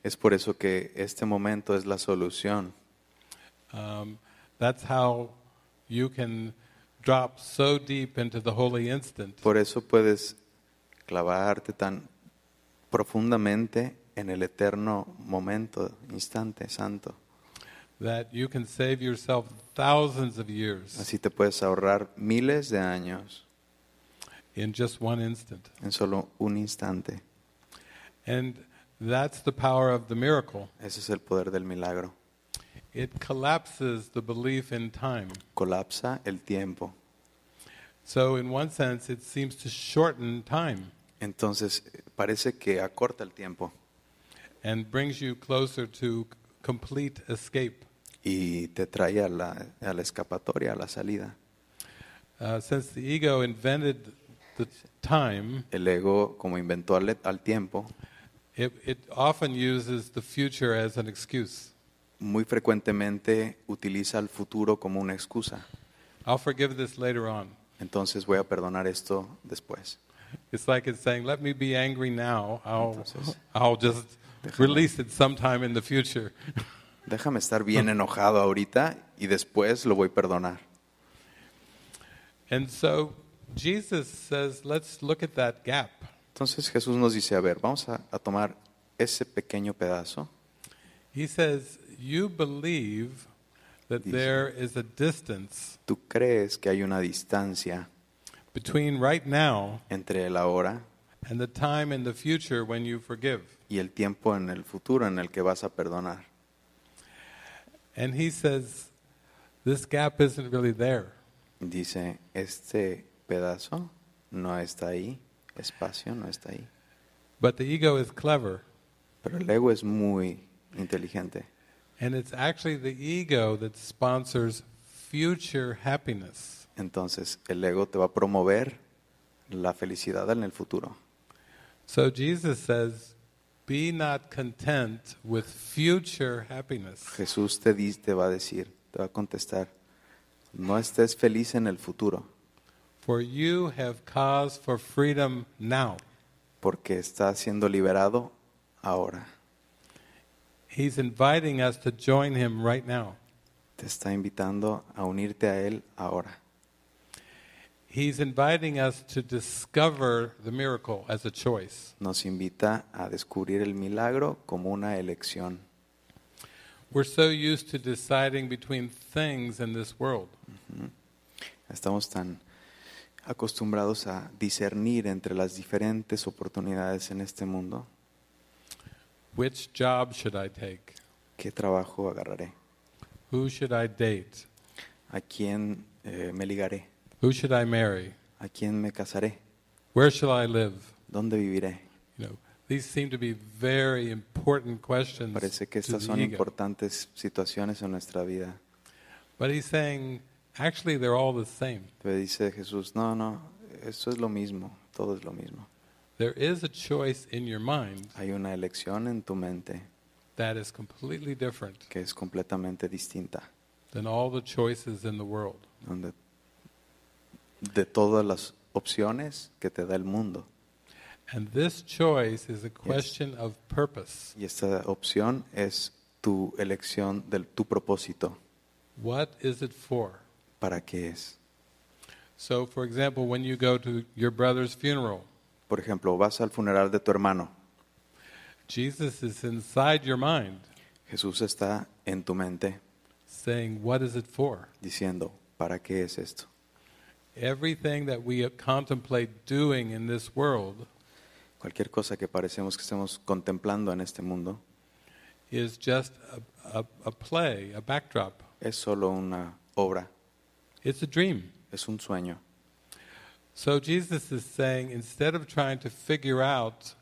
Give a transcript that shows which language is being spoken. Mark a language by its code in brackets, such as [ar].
[es] Es por eso que este momento es la solución. [en] That's how you can drop so deep into the holy instant. [es] Por eso puedes clavarte tan profundamente en el eterno momento, instante santo. [en] That you can save yourself thousands of years. [es] Así te puedes ahorrar miles de años. [en] In just one instant. [es] En solo un instante. [en] And that's the power of the miracle. [es] Ese es el poder del milagro. [en] It collapses the belief in time. [es] Colapsa el tiempo. [en] So in one sense it seems to shorten time. [es] Entonces parece que acorta el tiempo. [en] And brings you closer to complete escape. [es] Y te trae a la escapatoria, a la salida. [en] Since the ego invented the time, [es] el ego como inventó al tiempo, [en] it often uses the future as an excuse. [es] Muy frecuentemente utiliza el futuro como una excusa. [en] I'll forgive this later on. [es] Entonces voy a perdonar esto después. [en] It's like it's saying, let me be angry now. I'll just release it sometime in the future. [es] Déjame estar bien enojado ahorita y después lo voy a perdonar. [en] And so Jesus says, let's look at that gap. [es] Entonces Jesús nos dice, a ver, vamos a tomar ese pequeño pedazo. [en] He says, you believe that dice, there is a distance. [es] Tú crees que hay una distancia [en] between right now [es] entre el ahora [en] and the time in the future when you forgive. [es] Y el tiempo en el futuro en el que vas a perdonar. [en] And he says, this gap isn't really there. [es] Dice, este pedazo no está ahí, espacio no está ahí. [en] But the ego is clever. [es] Pero el ego es muy inteligente. [en] And it's actually the ego that sponsors future happiness. [es] Entonces el ego te va a promover la felicidad en el futuro. [en] So Jesus says, be not content with future happiness. [es] Jesús te dice, te va a decir, te va a contestar, no estés feliz en el futuro. [en] For you have cause for freedom now. [es] Porque estás siendo liberado ahora. [en] He's inviting us to join him right now. [es] Te está invitando a unirte a él ahora. [en] He's inviting us to discover the miracle as a choice. [es] Nos invita a descubrir el milagro como una elección. [en] We're so used to deciding between things in this world. [es] Estamos tan acostumbrados a discernir entre las diferentes oportunidades en este mundo. [en] Which job should I take? [es] ¿Qué trabajo agarraré? [en] Who should I date? [es] ¿A quién me ligaré? [en] Who should I marry? [es] ¿A quién me casaré? [en] Where shall I live? [es] ¿Dónde viviré? [en] You know, these seem to be very important questions. [es] Parece que estas son importantes situaciones en nuestra vida. [en] But he's saying, actually, they're all the same. [es] Pero dice Jesús, no, no, eso es lo mismo, todo es lo mismo. [en] There is a choice in your mind. [es] Hay una elección en tu mente. [en] That is completely different. [es] Que es completamente distinta. [en] Than all the choices in the world. [es] Donde de todas las opciones que te da el mundo. [en] And this choice is a question of purpose. [es] Y esta opción es tu elección de tu propósito. [en] What is it for? [es] ¿Para qué es? [en] So, for example, when you go to your brother's funeral, [es] por ejemplo, vas al funeral de tu hermano. [en] Jesus is inside your mind. [es] Jesús está en tu mente. [en] Saying, what is it for? [es] Diciendo, ¿para qué es esto? [en] Everything that we contemplate doing in this world, [es] cualquier cosa que parecemos que estemos contemplando en este mundo, [en] is just a play, a backdrop. [es] Es solo una obra. [en] It's a dream. [es] Es un sueño. [en] So Jesus is saying, instead of trying to figure out,